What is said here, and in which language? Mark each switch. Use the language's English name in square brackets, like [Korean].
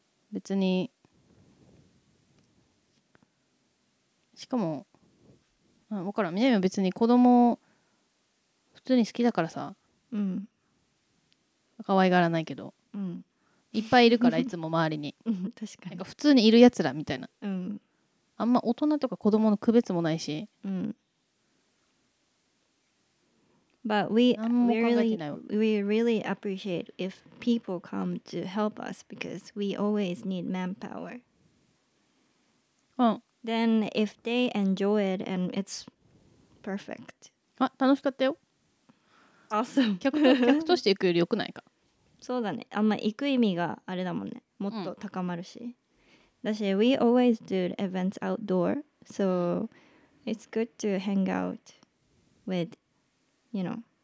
[Japanese] 別にしかも、あ、分からん、みなみは別に子供普通に好きだからさ、うん、可愛がらないけど、うん、いっぱいいるからいつも周りに確かになんか普通にいるやつらみたいな、うん、あんま大人とか子供の区別もないし、 [English] うん、But we really appreciate if people come to help us because we always need manpower. うん、 Then if they enjoy it and it's perfect. [Japanese] あ、楽しかったよ。 [English] Awesome. [Japanese] 客として行くより良くないか。そうだね。あんま行く意味があれだもんね。もっと高まるし。 [English] だし、we always do events outdoor, so it's good to hang out with, you know,、